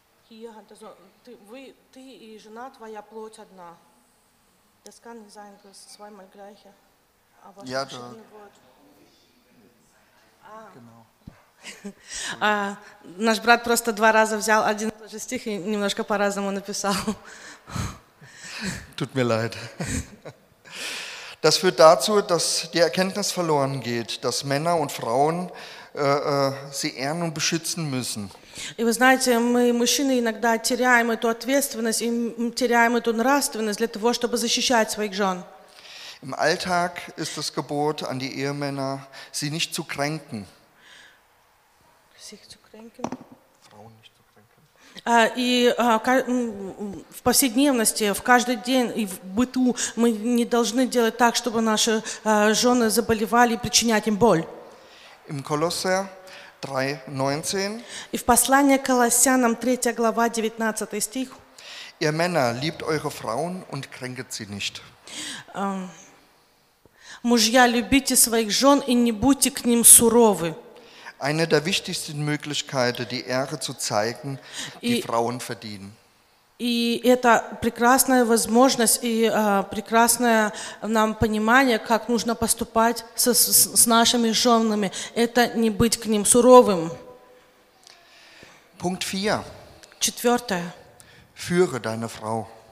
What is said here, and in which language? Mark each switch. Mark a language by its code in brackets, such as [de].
[ru] Ты и жена твоя плоть одна. [de] Das kann nicht sein, dass es zweimal gleiche. Aber ja, da. Genau. [ru] Наш брат просто два раза взял один и тот же стих и немножко по-разному написал. [de] Tut mir leid. Das führt dazu, dass die Erkenntnis verloren geht, dass Männer und Frauen sie ehren und beschützen müssen. [ru] И вы знаете, мы, мужчины, иногда теряем эту ответственность и теряем эту нравственность для того, чтобы защищать своих жен. [de] Im Alltag ist das Gebot an die Ehemänner, sie nicht zu kränken. Sich zu kränken. Frauen nicht zu kränken. [ru] В повседневности, в каждый день и в быту мы не должны делать так, чтобы наши жены заболевали и причинять им боль. [de] Im Kolosser 3:19. [ru] И в послании к Колоссянам 3 глава 19 стих. [de] Ihr Männer, liebt eure Frauen und kränket sie nicht. [ru] Мужья, любите своих жен и не будьте к ним суровы. [de] Eine der wichtigsten Möglichkeiten, die Ehre zu zeigen, die Frauen verdienen. [ru] И это прекрасная возможность и прекрасное нам понимание, как нужно поступать с нашими женами. Это не быть к ним суровым. [de] Punkt 4. [ru] Четвертое. [de] Führe deine Frau.